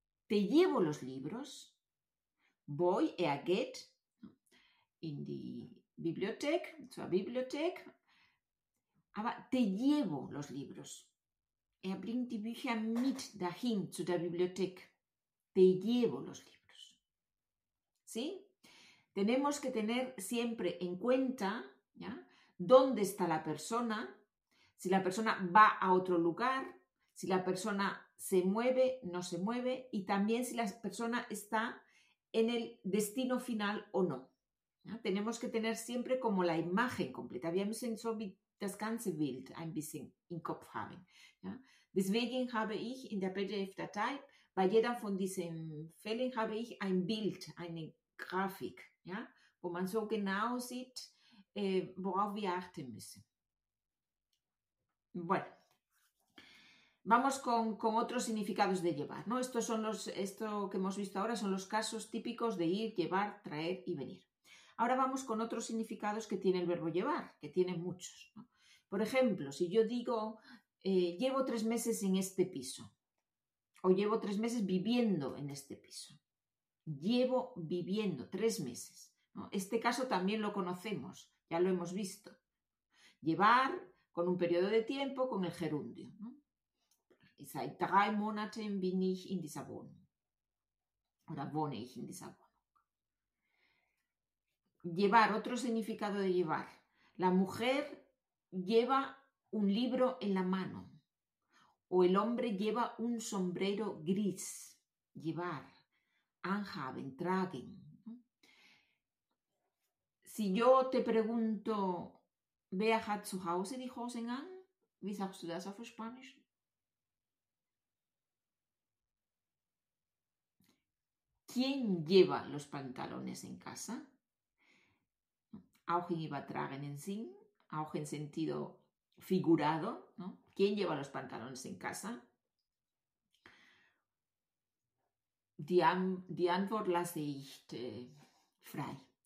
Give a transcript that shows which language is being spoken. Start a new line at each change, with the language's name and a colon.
Spanish: Te llevo los libros. Voy,
German: er geht in die Bibliothek, zur Bibliothek, aber
Spanish: te llevo los libros.
German: Er bringt die Bücher mit dahin zu der Bibliothek.
Spanish: Te llevo los libros. ¿Sí? Tenemos que tener siempre en cuenta, ¿ya? ¿Dónde está la persona? Si la persona va a otro lugar, si la persona se mueve, no se mueve, y también si la persona está en el destino final o no. ¿Ya? Tenemos que tener siempre como la imagen completa.
German: Wir müssen so wie das ganze Bild ein bisschen im Kopf haben. ¿Ja? Deswegen habe ich in der PDF-Datei, bei jeder von diesen Fällen habe ich ein Bild, eine Grafik, ja, wo man so genau sieht, worauf wir achten müssen.
Spanish: Bueno, vamos con otros significados de llevar, ¿no? Estos son los, esto que hemos visto ahora son los casos típicos de ir, llevar, traer y venir. Ahora vamos con otros significados que tiene el verbo llevar, que tiene muchos, ¿no? Por ejemplo, si yo digo, llevo 3 meses en este piso, o llevo 3 meses viviendo en este piso. Llevo viviendo 3 meses, ¿no? Este caso también lo conocemos. Ya lo hemos visto. Llevar con un periodo de tiempo, con el gerundio, ¿no?
German: Seit 3 Monaten bin ich in dieser Wohnung. Oder wohne ich in dieser Wohnung.
Spanish: Llevar, otro significado de llevar. La mujer lleva un libro en la mano. O el hombre lleva un sombrero gris.
German: Llevar, anhaben, tragen.
Spanish: Si yo te pregunto,
German: ¿wer hat zu Hause die Hosen an? ¿Wie sagst du das auf Spanisch?
Spanish: ¿Quién lleva los pantalones en casa?
German: Auch in übertragenen Sinn, auch
Spanish: en sentido figurado, ¿no? ¿Quién lleva los pantalones en casa?
German: Die Antwort lasse ich frei.